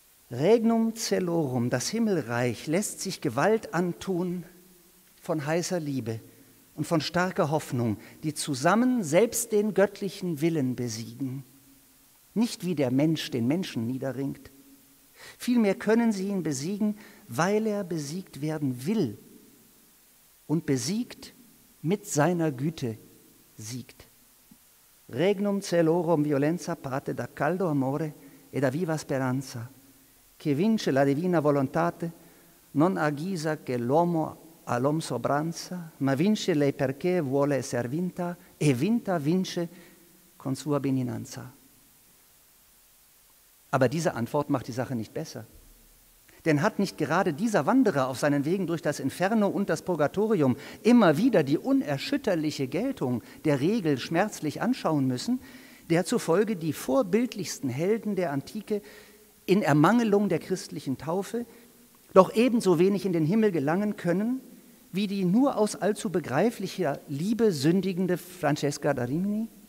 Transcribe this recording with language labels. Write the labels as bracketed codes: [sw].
[la] Regnum celorum, [de] das Himmelreich, lässt sich Gewalt antun von heißer Liebe und von starker Hoffnung, die zusammen selbst den göttlichen Willen besiegen. Nicht wie der Mensch den Menschen niederringt. Vielmehr können sie ihn besiegen, weil er besiegt werden will und besiegt mit seiner Güte siegt. [it] Regnum celorum violenza pate da caldo amore e da viva speranza, che vince la divina volontate non a guisa che l'uomo all'om sobranza, ma vince lei perché vuole esser vinta e vinta vince con sua beninanza. [de] Aber diese Antwort macht die Sache nicht besser. Denn hat nicht gerade dieser Wanderer auf seinen Wegen durch das Inferno und das Purgatorium immer wieder die unerschütterliche Geltung der Regel schmerzlich anschauen müssen, der zufolge die vorbildlichsten Helden der Antike in Ermangelung der christlichen Taufe doch ebenso wenig in den Himmel gelangen können, wie die nur aus allzu begreiflicher Liebe sündigende Francesca da Rimini?